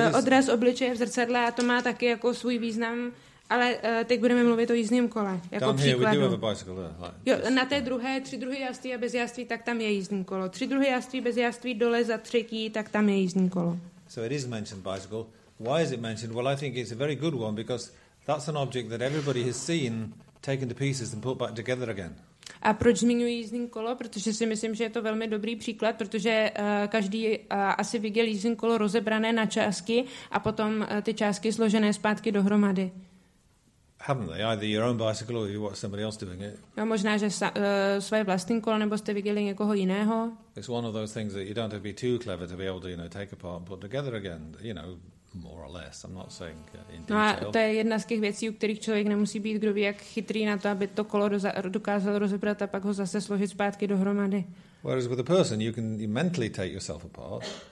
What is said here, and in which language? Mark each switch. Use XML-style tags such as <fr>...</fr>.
<cs>odraz obličeje v zrcadle a to má taky jako svůj význam, ale teď budeme mluvit o jízdním kole, jako</cs> <en>down</en> <cs>příkladu.</cs> <en>Here we do have a bicycle, yeah, like</en> <cs>jo, this, na té druhé, tři druhy jazdy a bez jazdy, tak tam je jízdní kolo. Tři druhy jazdy, bez jazdy, dole za třetí, tak tam je jízdní kolo.</cs> <en>So it is mentioned bicycle. Why is it mentioned? Well, I think it's a very good one because that's an object that everybody has seen taken to pieces and put back together again.</en> <cs>A proč zmiňuji jízdní kolo? Protože si myslím, že je to velmi dobrý příklad, protože každý asi viděl jízdní kolo rozebrané na částky a potom ty částky složené zpátky dohromady.</cs> <en>Haven't they? Either your own bicycle or you watch somebody else doing it.</en> <cs>No, možná, že svoje vlastní kolo nebo jste viděli někoho jiného.</cs> <en>It's one of those things that you don't have to be too clever to be able to, you know, take apart and put together again, you know. More or less. I'm not saying in detail.</en> <cs>No a to je jedna z těch věcí, u kterých člověk nemusí být kdo ví jak chytrý na to, aby to kolo dokázal rozebrat a pak ho zase složit zpátky dohromady.</cs> <en>Whereas with a person, you can mentally take yourself apart.</en>